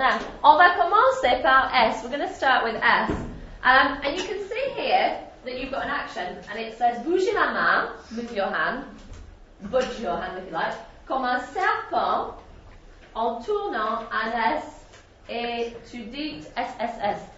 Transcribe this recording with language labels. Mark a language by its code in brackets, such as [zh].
[fr] Now, on va commencer par S. [en] We're going to start with S. And you can see here that you've got an action. And it says, [fr] bougez la main, [en] move your hand. Budge your hand, if you like. [fr] Comme un serpent, en tournant un S, et tu dis S, S, S.